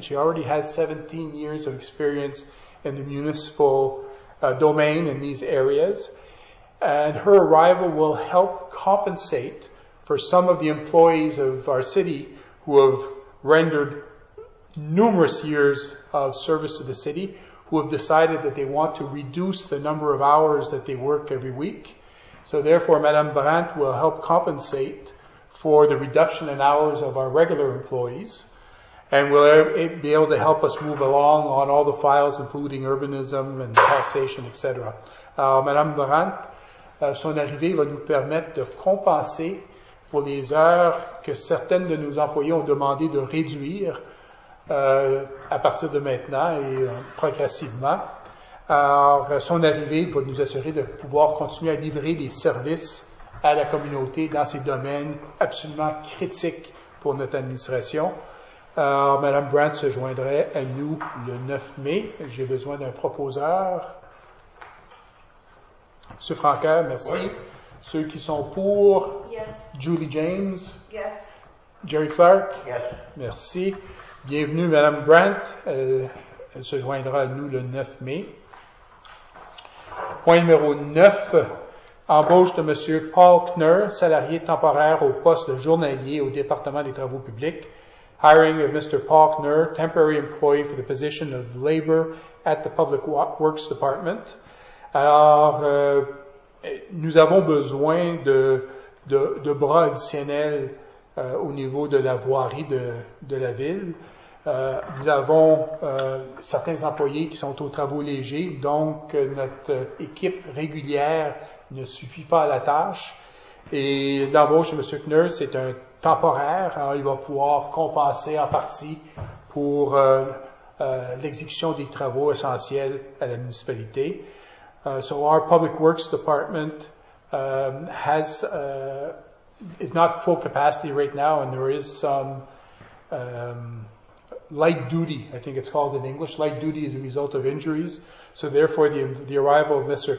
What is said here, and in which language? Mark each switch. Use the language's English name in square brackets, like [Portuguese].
[English] She already has 17 years of experience in the municipal domain in these areas, and her arrival will help compensate for some of the employees of our city who have rendered numerous years of service to the city, who have decided that they want to reduce the number of hours that they work every week. So therefore, Madame Brandt will help compensate for the reduction in hours of our regular employees, and will be able to help us move along on all the files, including urbanism and taxation, etc. [French] Madame Brandt, son arrivée va nous permettre de compenser pour les heures que certaines de nos employés ont demandé de réduire à partir de maintenant et progressivement. Alors, son arrivée va nous assurer de pouvoir continuer à livrer des services à la communauté dans ces domaines absolument critiques pour notre administration. Alors, Mme Brandt se joindrait à nous le 9 mai. J'ai besoin d'un proposeur. M. Francaire, merci. Oui. Ceux qui sont pour? [English] Yes. Julie James? Yes. Jerry Clark? Yes. [French] Merci. Bienvenue, Mme Brandt. Elle se joindra à nous le 9 mai. Point numéro 9. Embauche de M. Paul Kner, salarié temporaire au poste de journalier au département des travaux publics. [English] Hiring of Mr. Faulkner, temporary employee for the position of labor at the Public Works Department. [French] Alors, nous avons besoin de bras additionnels au niveau de la voirie de la ville. Nous avons certains employés qui sont aux travaux légers, donc notre équipe régulière ne suffit pas à la tâche. Et l'embauche de M. Faulkner, c'est un temporaire, il va pouvoir compenser en partie pour l'exécution des travaux essentiels à la municipalité. [English] So our public works department is not full capacity right now, and there is some light duty, I think it's called in English. Light duty is a result of injuries. So therefore, the arrival of Mr.